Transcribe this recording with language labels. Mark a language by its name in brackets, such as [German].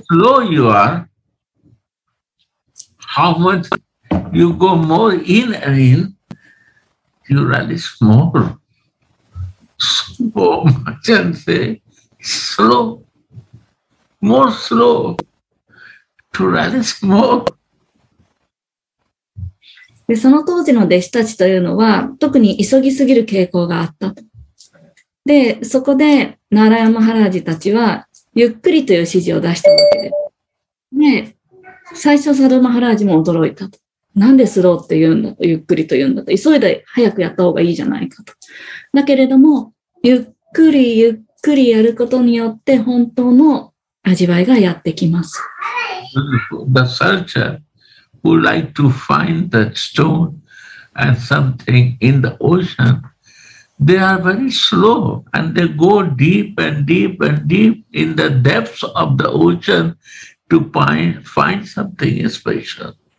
[English] ち、how much slow you are, how much you go more in and in, you realize more. So much and say, slow, more slow, to realize more. [Japanese] で、その当時の弟子たちというのは、特に急ぎすぎる傾向があったと。で、そこで、ナーラヤマハラージたちは、ゆっくりという指示を出したわけで。で、最初、サドマハラージも驚いたと。なんでスローって言うんだと、ゆっくりと言うんだと。急いで早くやった方がいいじゃないかと。だけれども、ゆっくりゆっくりやることによって、本当の味わいがやってきます。 [English] The searcher who like to find the stone and something in the ocean,They are very slow and they go deep and deep and deep in the depths of the ocean to find something special.